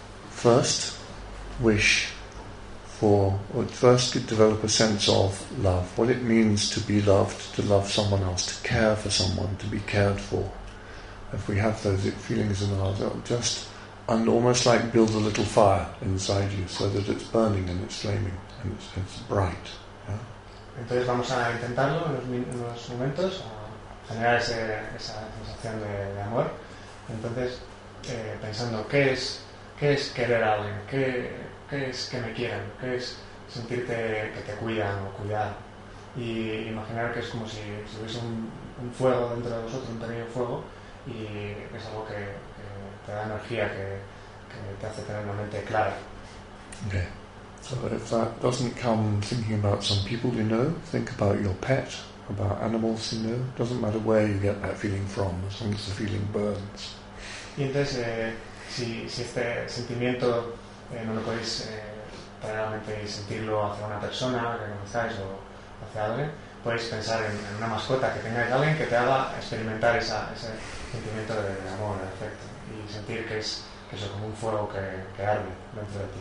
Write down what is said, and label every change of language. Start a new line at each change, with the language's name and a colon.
English: First wish for, or first develop a sense of love, what it means to be loved, to love someone else, to care for someone, to be cared for. If we have those feelings in our heart, just, and almost like build a little fire inside you so that it's burning and it's flaming and it's bright. Yeah?
Spanish: Entonces vamos a intentarlo en unos momentos, a generar esa sensación de amor. Entonces, pensando qué es querer a alguien, qué es que me quieran, qué es sentirte que te cuidan o cuidar. Y imaginar que es como si hubiese un fuego dentro de vosotros, un pequeño fuego, y es algo que te da energía, que te hace tener la mente clara.
English: Okay. So if that doesn't come thinking about some people you know, think about your pet, about animals you know. Doesn't matter where you get that feeling from, as long as the feeling burns.
Spanish: Y entonces, si este sentimiento no lo podéis realmente sentirlo hacia una persona que conozcáis o hacia alguien, podéis pensar en una mascota que tengáis, alguien que te haga experimentar ese sentimiento de amor, de afecto, y sentir que es como un fuego que arde dentro de ti.